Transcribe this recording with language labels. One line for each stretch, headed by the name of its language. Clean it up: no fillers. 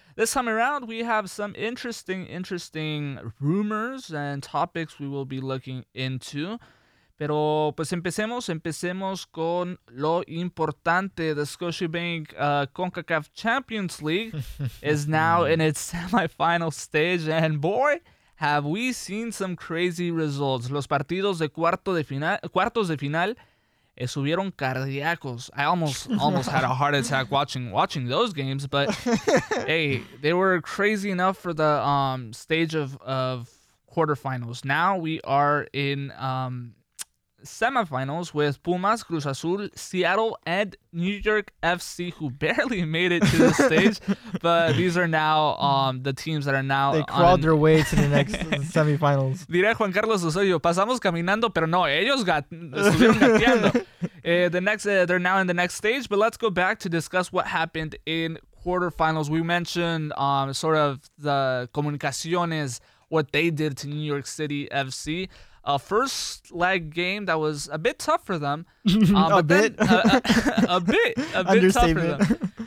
English: This time around, we have some interesting rumors and topics we will be looking into.
Spanish: Pero pues empecemos con lo importante.
English: The Scotiabank CONCACAF Champions League is now in its semifinal stage, and boy, have we seen some crazy results.
Spanish: Los partidos de cuartos de final estuvieron cardíacos.
English: I almost had a heart attack watching those games, but hey, they were crazy enough for the stage of quarterfinals. Now we are in semifinals with Pumas, Cruz Azul, Seattle, and New York FC, who barely made it to the stage, but these are now the teams that are now... They crawled their way to the next semifinals.
Spanish: Diré Juan Carlos Osorio, pasamos caminando, pero no, ellos estuvieron gateando.
English: They're now in the next stage, but let's go back to discuss what happened in quarterfinals. We mentioned sort of the Comunicaciones, what they did to New York City FC. A first leg game that was a bit tough for them. A bit tough for them.